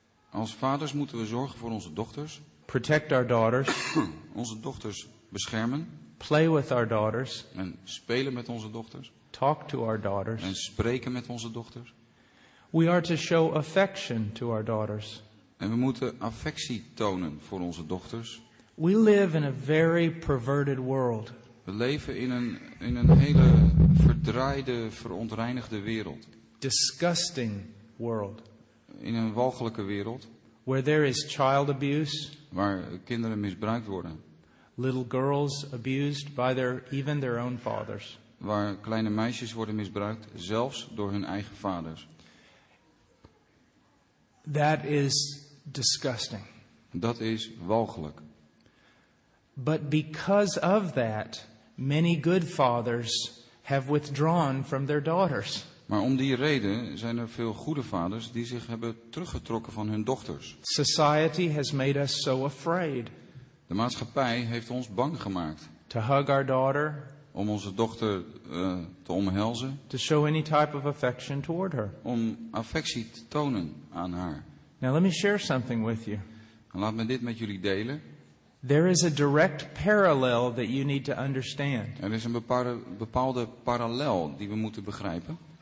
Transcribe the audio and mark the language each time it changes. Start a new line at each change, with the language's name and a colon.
Dutch: Als vaders moeten we zorgen voor onze dochters.
English: Protect our daughters.
Dutch: Onze dochters beschermen.
English: Play with our daughters.
Dutch: En spelen met onze dochters.
English: Talk to our daughters.
Dutch: En spreken met onze dochters.
English: We are to show affection to our daughters.
Dutch: En we moeten affectie tonen voor onze dochters.
English: We live in a very perverted world.
Dutch: We leven in een hele verdraaide, verontreinigde wereld.
English: Disgusting world.
Dutch: In een walgelijke wereld.
English: Where there is child abuse.
Dutch: Waar kinderen misbruikt worden.
English: Little girls abused by even their own fathers.
Dutch: Waar kleine meisjes worden misbruikt, zelfs door hun eigen vaders.
English: That is disgusting.
Dutch: Dat is walgelijk.
English: But because of that, many good fathers have withdrawn from their daughters.
Dutch: Maar om die reden zijn er veel goede vaders die zich hebben teruggetrokken van hun dochters.
English: Society has made us so afraid.
Dutch: De maatschappij heeft ons bang gemaakt.
English: To hug our daughter.
Dutch: Om onze dochter te omhelzen.
English: To show any type of affection toward her.
Dutch: Om affectie te tonen aan haar.
English: Now let me share something with you.
Dutch: Laat me dit met jullie delen.
English: There is a direct parallel that you need to understand.
Dutch: Er is een bepaalde parallel die we moeten begrijpen.